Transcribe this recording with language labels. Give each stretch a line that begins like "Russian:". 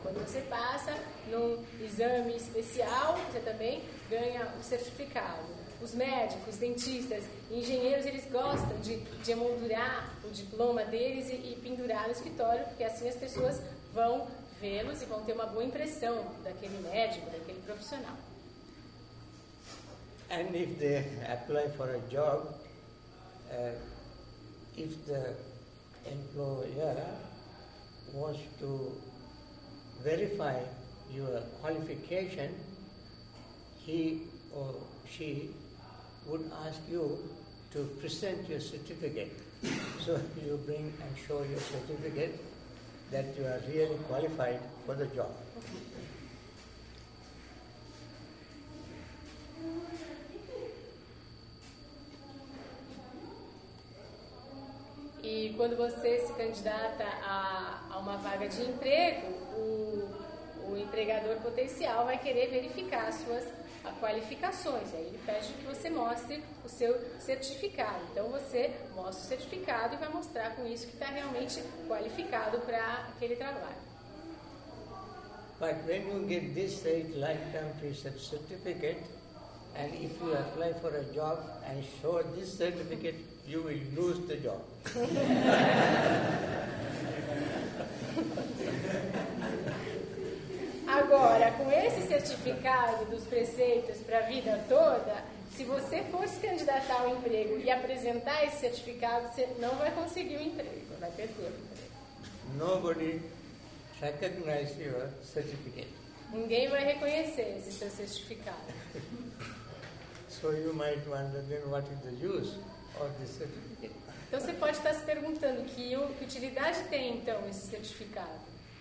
Portuguese: Quando você passa num exame especial, você também ganha um certificado. Os médicos, dentistas, engenheiros, eles gostam de emoldurar o diploma deles e pendurar no escritório, porque assim as pessoas vão vê-los e vão ter uma boa impressão daquele médico, daquele profissional.
English: And if they apply for a job, if the employer wants to verify your qualification, he or she would ask you to present your certificate. So you bring and show your certificate that you are really qualified for the job.
Portuguese: E quando você se candidata a uma vaga de emprego, o empregador potencial vai querer verificar as suas qualificações. Aí ele pede que você mostre o seu certificado. Então você mostra o certificado e vai mostrar com isso que está realmente qualificado para aquele trabalho.
English: But when you get this state lifetime preset certificate, and if you apply for a job and show this certificate, you will lose the job.
Portuguese: Agora, com esse certificado dos preceitos para a vida toda, se você for se candidatar ao emprego e apresentar esse certificado, você não vai conseguir o emprego, vai perder o emprego.
English: Nobody recognizes your certificate.
Portuguese: Ninguém vai reconhecer esse seu certificado.
English: So you might wonder then what is the use of this certificate.
Portuguese: Então você pode estar se perguntando que utilidade tem então esse certificado.